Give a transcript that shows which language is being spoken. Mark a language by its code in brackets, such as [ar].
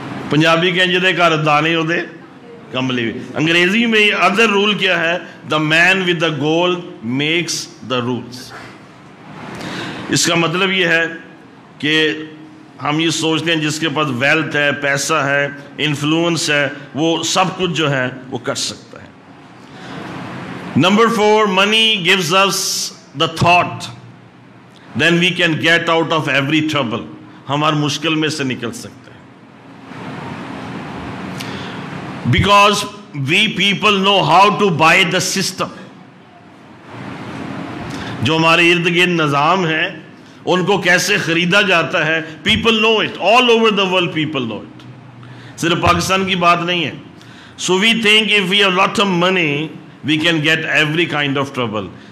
[ur] پنجابی کے [pa] جدے گھر دانے ہوتے کملی. [ur] انگریزی میں یہ ادر رول کیا ہے؟ [en] The man with the gold makes the rules. [ur] اس کا مطلب یہ ہے کہ ہم یہ سوچتے ہیں جس کے پاس ویلتھ ہے, پیسہ ہے, انفلوئنس ہے, وہ سب کچھ جو ہے وہ کر سکتا ہے. [en] Number four, money gives us the thought then we can get out of every trouble. [ur] ہم ہر مشکل میں سے نکل سکتے ہیں. [en] Because we people know how to buy the system. [ur] جو ہمارے ارد گرد نظام ہے ان کو کیسے خریدا جاتا ہے, [en] People know it. All over the world people know it. [ur] صرف پاکستان کی بات نہیں ہے. [en] So we think if we have lot of money we can get every kind of trouble.